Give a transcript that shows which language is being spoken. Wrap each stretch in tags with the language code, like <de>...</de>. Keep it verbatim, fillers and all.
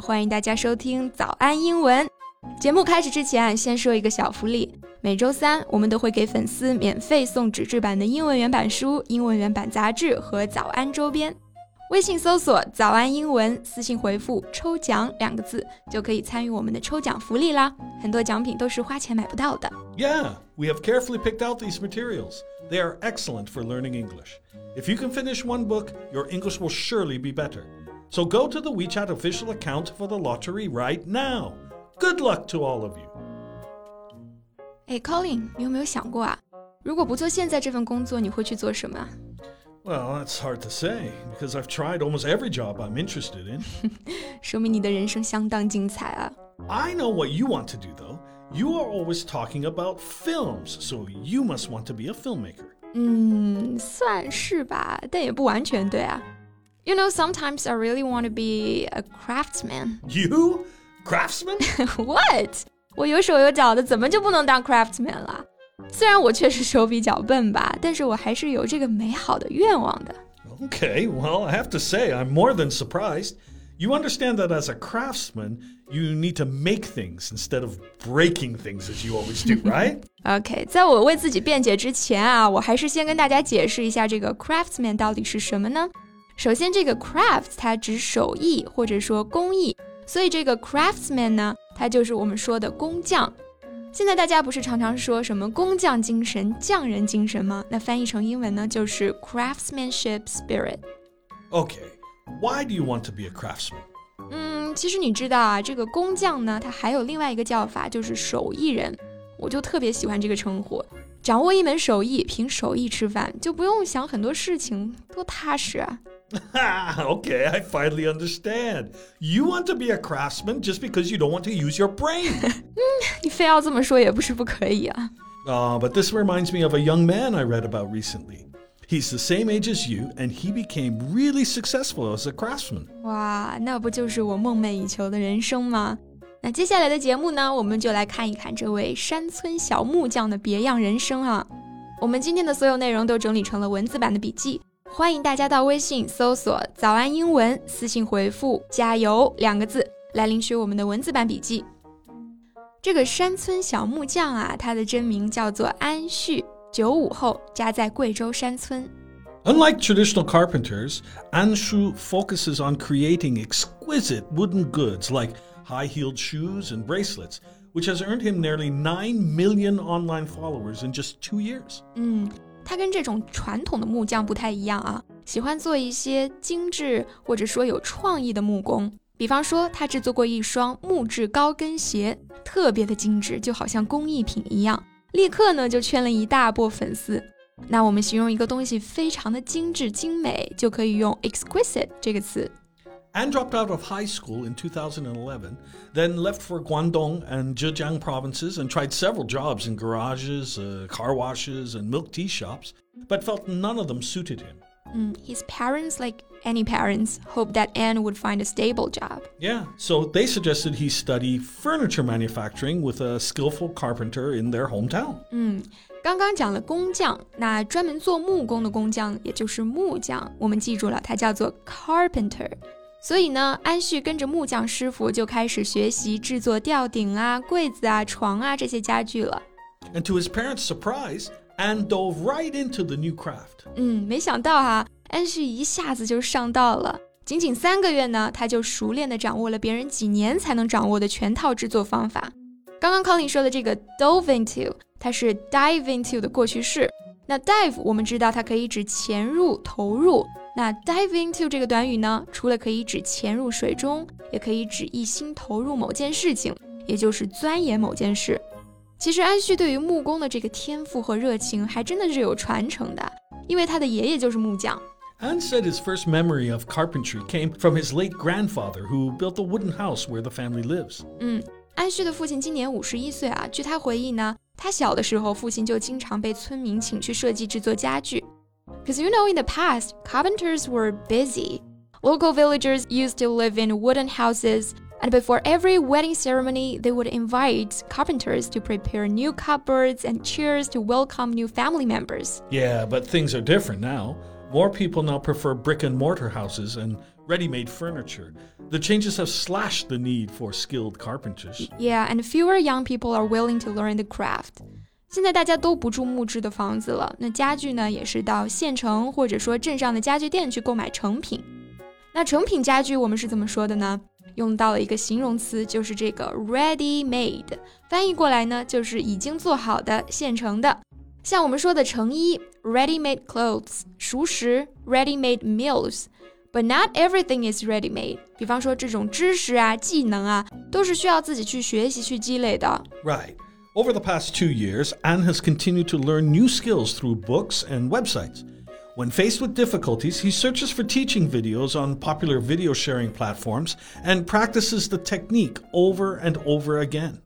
<zh>欢迎大家收听早安英文。节目开始之前，先说一个小福利。每周三，我们都会给粉丝免费送纸质版的英文原版书、英文原版杂志和早安周边。微信搜索“早安英文”，私信回复“抽奖”两个字，就可以参与我们的抽奖福利啦。很多奖品都是花钱买不到的。</zh> <en>Yeah, we have carefully picked out these materials. They are excellent for learning English. If you can finish one book, your English will surely be better. So go to the WeChat official account for the lottery right now. Good luck to all of you. Hey,</en> <zh>Colin, 你有没有想过啊？如果不做现在这份工作，你会去做什么啊？</zh> <en>Well, that's hard to say, because I've tried almost every job I'm interested in.</en> <zh>说明你的人生相当精彩啊。</zh> <en>I know what you want to do, though. You are always talking about films, so you must want to be a filmmaker.</en> <zh>嗯，算是吧，但也不完全对啊。</zh> <en>You know, sometimes I really want to be a craftsman. You? Craftsman? What?</en> <zh>我有手有脚的，怎么就不能当 craftsman 了？虽然我确实手比较笨吧，但是我还是有这个美好的愿望的。</zh> <en>Okay, well, I have to say, I'm more than surprised. You understand that as a craftsman, you need to make things instead of breaking things as you always do, right? Okay,</en> <zh>在我为自己辩解之前啊，我还是先跟大家解释一下这个 craftsman 到底是什么呢？首先，这个 craft 它指手艺或者说工艺，所以这个 craftsman 呢，它就是我们说的工匠。现在大家不是常常说什么工匠精神、匠人精神吗？那翻译成英文呢，就是</zh> <en>craftsmanship spirit。 Okay, why do you want to be a craftsman?</en> <zh>嗯，其实你知道啊，这个工匠呢，它还有另外一个叫法，就是手艺人。我就特别喜欢这个称呼，掌握一门手艺，凭手艺吃饭，就不用想很多事情，多踏实啊。</zh> <en>Okay, I finally understand. You want to be a craftsman just because you don't want to use your brain.</en> <zh>你非要这么说也不是不可以啊。</zh> <en>Uh, but this reminds me of a young man I read about recently. He's the same age as you, and he became really successful as a craftsman.</en> <zh>哇，那不就是我梦寐以求的人生吗？那接下来的节目呢，我们就来看一看这位山村小木匠的别样人生啊。我们今天的所有内容都整理成了文字版的笔记。欢迎大家到微信搜索早安英文，私信回复加油两个字来领取我们的文字版笔记。这个山村小木匠啊，他的真名叫做安旭，九五后，家在贵州山村。</zh> <en>Unlike traditional carpenters, Anshu focuses on creating exquisite wooden goods like high-heeled shoes and bracelets, which has earned him nearly nine million online followers in just two years. 嗯。</en> <zh>他跟这种传统的木匠不太一样啊，喜欢做一些精致或者说有创意的木工。比方说，他制作过一双木质高跟鞋，特别的精致，就好像工艺品一样，立刻呢就圈了一大波粉丝。那我们形容一个东西非常的精致精美，就可以用 exquisite 这个词。</zh> <en>Anne dropped out of high school in two thousand eleven, then left for Guangdong and Zhejiang provinces and tried several jobs in garages, uh, car washes, and milk tea shops, but felt none of them suited him. Mm, his parents, like any parents, hoped that Anne would find a stable job. Yeah, so they suggested he study furniture manufacturing with a skillful carpenter in their hometown.</en> <zh>嗯，刚刚讲了工匠，那专门做木工的工匠，也就是木匠，我们记住了，他叫做 carpenter。所以呢，安旭跟着木匠师傅就开始学习制作吊顶啊、柜子啊、床啊这些家具了。</zh> <en>And to his parents' surprise, Anne dove right into the new craft.</en> <zh>嗯，没想到啊，安旭一下子就上道了。仅仅三个月呢，他就熟练地掌握了别人几年才能掌握的全套制作方法。刚刚 Colin 说的这个</zh> <en>dove into，</en> <zh>它是</zh> <en>dive into</en> <zh>的过去式。那 dive 我们知道它可以指潜入、投入。那</zh> <en>dive into</en> <zh>这个短语呢，除了可以指潜入水中，也可以指一心投入某件事情，也就是钻研某件事。其实安旭对于木工的这个天赋和热情还真的是有传承的，因为他的爷爷就是木匠。</zh> <en>Anne said his first memory of carpentry came from his late grandfather who built the wooden house where the family lives.</en> <zh>嗯，安旭的父亲今年五十一岁啊，据他回忆呢，他小的时候，父亲就经常被村民请去设计制作家具。</zh> <en>Because you know, in the past, carpenters were busy. Local villagers used to live in wooden houses, and before every wedding ceremony, they would invite carpenters to prepare new cupboards and chairs to welcome new family members. Yeah, but things are different now. More people now prefer brick and mortar houses and ready-made furniture. The changes have slashed the need for skilled carpenters. Yeah, and fewer young people are willing to learn the craft.</en> <zh>现在大家都不住木质的房子了，那家具呢也是到县城或者说镇上的家具店去购买成品。那成品家具我们是怎么说的呢？用到了一个形容词，就是这个 ready made， 翻译过来呢就是已经做好的、现成的。像我们说的成衣</zh> <en>ready made clothes，</en> <zh>熟食</zh> <en>ready made meals。 But not everything is ready made。</en> <zh>比方说这种知识啊、技能啊，都是需要自己去学习去积累的。</zh> <en>Right. Over the past two years, Anne has continued to learn new skills through books and websites. When faced with difficulties, he searches for teaching videos on popular video sharing platforms and practices the technique over and over again.</en>